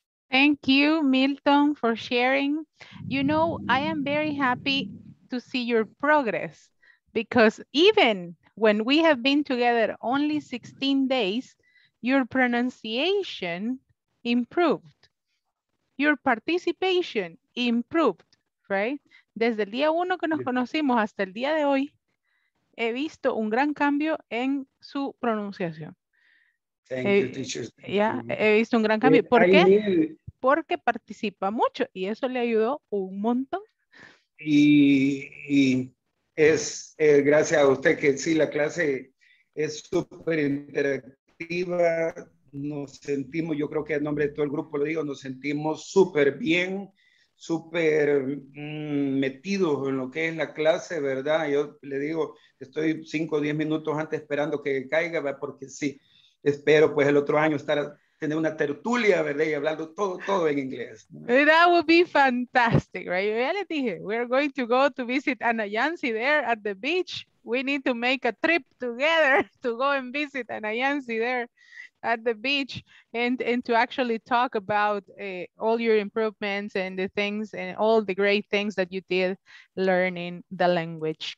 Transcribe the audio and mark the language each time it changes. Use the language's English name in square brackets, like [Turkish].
[English] Thank you, Milton, for sharing. You know, I am very happy to see your progress because even when we have been together only 16 days, your pronunciation improved. Your participation improved, right? [Spanish] Desde el día uno que nos conocimos hasta el día de hoy, he visto un gran cambio en su pronunciación. [English] Thank you, teacher. [Spanish] Ya, he visto un gran cambio. ¿Por qué? Porque participa mucho y eso le ayudó un montón. Y es gracias a usted que sí, la clase es súper interactiva. Nos sentimos, yo creo que en nombre de todo el grupo lo digo, nos sentimos súper bien, súper metidos en lo que es la clase, ¿verdad? Yo le digo, estoy 5 o 10 minutos antes esperando que caiga, ¿verdad? Porque sí, espero pues el otro año estar... tener una tertulia, ¿verdad? Y hablando todo en inglés. [English] That would be fantastic, right? [Spanish] Ya le dije, [English] we're going to go to visit Ana Yancy there at the beach. We need to make a trip together to go and visit Ana Yancy there at the beach and to actually talk about all your improvements and the things and all the great things that you did learning the language.